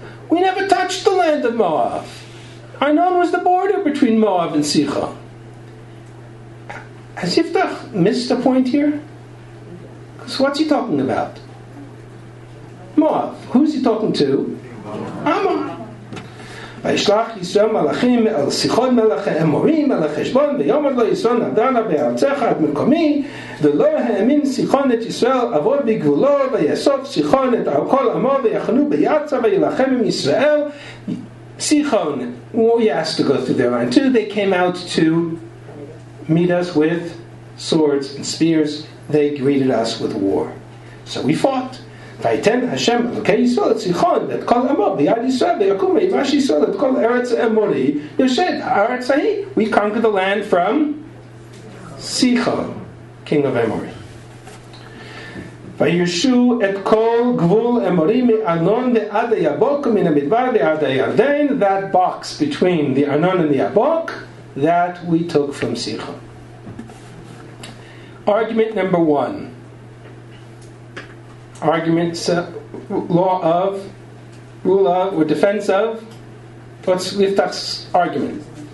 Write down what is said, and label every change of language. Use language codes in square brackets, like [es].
[en] We never touched the land of Moab. Arnon was the border between Moab and Sichon. Has Yiftach missed a point here? Because what's he talking about? Moab. Who's he talking to? Ammon. [he] וישלח ישראל מלאכים אל סיחון מלאכי אמורים מלאכי שבון ויאמר לו ישראל נדנה בארצך את מקומי ולא האמין סיחון את ישראל עבור בגבולו ויאסוף סיחון את כל עמו ויחנו ביצה וילחם עם ישראל סיחון. [en] Well, he has to go through their line too. They came out to meet us with swords and spears. They greeted us with war. So we fought. [he] ויתן השם אלוקי ישראל את סיחון ואת כל עמו ביד ישראל ויקום ויבש ישראל את כל ארץ אמורי יושב הארץ ההיא. [en] We conquer the land from סיחון, king of אמורי. [he] וישו את כל גבול אמורי מארנון ועד היבוק מן המדבר ועד הירדן. [en] That box between the Arnon and the Yabok that we took from סיחון. Argument number one. Arguments, law of, rule of, or defense of, what's Yiftach's argument?